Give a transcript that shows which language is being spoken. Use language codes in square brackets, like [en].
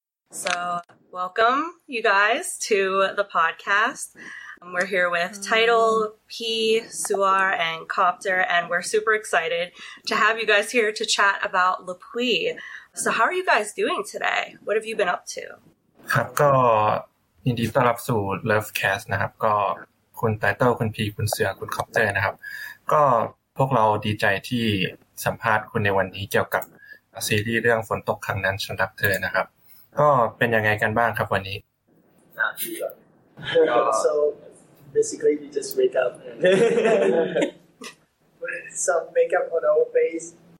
[en] So welcome, you guys, to the podcast. We're here with Tidal, P, Suar, and Copter, and we're super excited to have you guys here to chat about La Pluie. So how are you guys doing today? What have you been up to? [th] ครับก็ยินดีต้อนรับสู่ Lovecast นะครับก็คุณไตเติ้ลคุณพีคุณเสือคุณคอปเตอร์นะครับก็พวกเราดีใจที่สัมภาษณ์คุณในวันนี้เกี่ยวกับซีรีส์เรื่องฝนตกครั้งนั้นสําหรับเธอนะครับก็เป็นยังไงกันบ้างครับวันนี้ [en] So basically you just wake up and put some makeup on our face.